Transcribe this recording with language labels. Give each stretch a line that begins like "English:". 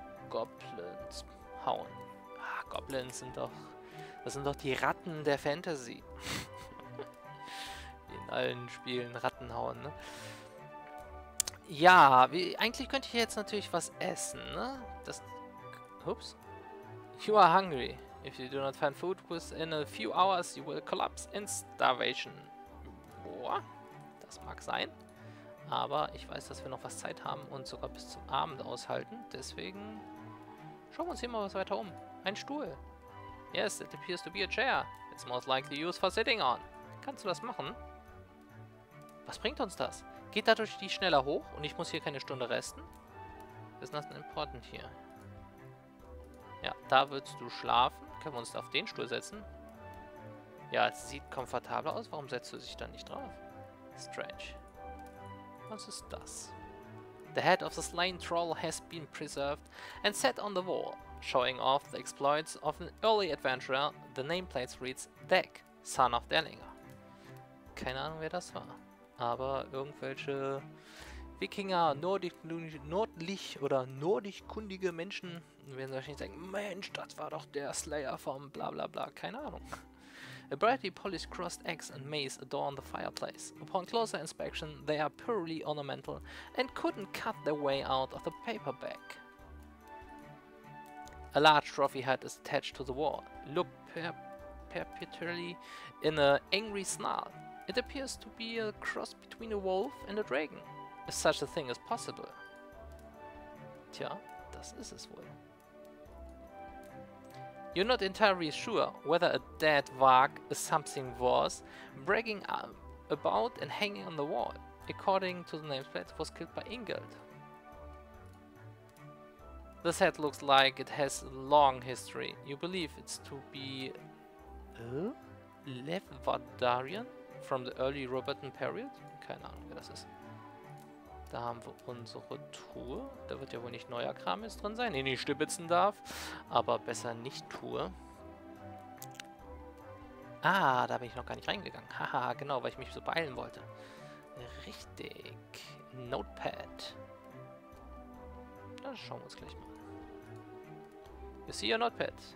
German: Goblins hauen. Ah, Goblins sind doch... Das sind doch die Ratten der Fantasy. Die in allen Spielen Ratten hauen, ne? Ja, eigentlich könnte ich jetzt natürlich was essen, ne? Das... Ups.
English: You are hungry. If you do not find food within a few hours, you will collapse in starvation.
German: Boah, das mag sein. Aber ich weiß, dass wir noch was Zeit haben und sogar bis zum Abend aushalten. Deswegen schauen wir uns hier mal was weiter um. Ein Stuhl.
English: Yes, it appears to be a chair. It's most likely used for sitting on.
German: Kannst du das machen? Was bringt uns das? Geht dadurch die schneller hoch und ich muss hier keine Stunde resten? Ist das denn important hier? Ja, da würdest du schlafen. Können wir uns auf den Stuhl setzen? Ja, es sieht komfortabler aus. Warum setzt du dich da nicht drauf? Strange. Was ist das?
English: The head of the slain troll has been preserved and set on the wall, showing off the exploits of an early adventurer. The nameplate reads Deck, son of Derlinger.
German: Keine Ahnung, wer das war. Aber irgendwelche Wikinger, nordisch-kundige Menschen werden wahrscheinlich denken, Mensch, das war doch der Slayer vom bla bla bla. Keine Ahnung.
English: A brightly polished crossed axe and mace adorn the fireplace. Upon closer inspection, they are purely ornamental and couldn't cut their way out of the paper bag. A large trophy head is attached to the wall. Look perpetually in an angry snarl. It appears to be a cross between a wolf and a dragon. If such a thing is possible.
German: Tja, das ist es wohl.
English: You're not entirely sure whether a dead wag is something worth bragging about and hanging on the wall. According to the nameplate, was killed by Ingeld. This head looks like it has a long history. You believe it's to be Levadarian from the early Roberton period?
German: Keine Ahnung, wer das ist. Da haben wir unsere Truhe. Da wird ja wohl nicht neuer Kram jetzt drin sein, den ich stibitzen darf. Aber besser nicht Truhe. Ah, da bin ich noch gar nicht reingegangen. Haha, genau, weil ich mich so beeilen wollte. Richtig. Notepad. Das schauen wir uns gleich mal.
English: You see your Notepad.